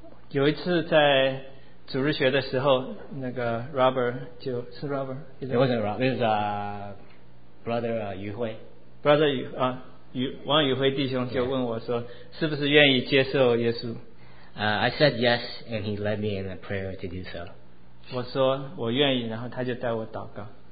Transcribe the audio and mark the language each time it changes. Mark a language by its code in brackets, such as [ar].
[zh] 有一次在主日学的时候，那个 Robert 就是 Robert， [en] it wasn't Robert, it was brother 余辉 [zh] brother 余啊余王余辉弟兄就问我说， yeah. 是不是愿意接受耶稣？ [en] I said yes, and he led me in a prayer to do so. [zh] 我说我愿意，然后他就带我祷告。